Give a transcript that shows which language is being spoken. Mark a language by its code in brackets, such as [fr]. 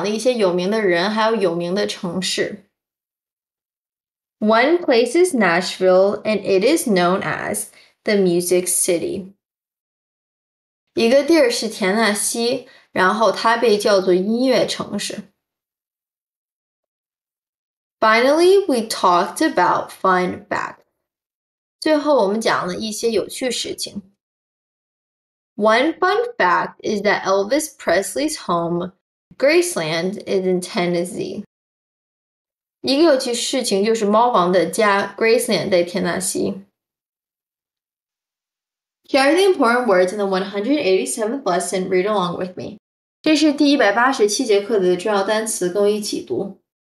[zh] 接着我们讲了一些有名的人，还有有名的城市. [en] One place is Nashville, and it is known as the Music City. [zh] 一个地儿是田纳西，然后它被叫做音乐城市. [en] Finally, we talked about fun facts. [zh] 最后我们讲了一些有趣事情. [en] One fun fact is that Elvis Presley's home, Graceland, is in Tennessee. [zh] 一个有趣事情就是猫王的家Graceland在田纳西. [en] Here are the important words in the 187th lesson. Read along with me. [zh] 这是第187节课的重要单词，跟我一起读.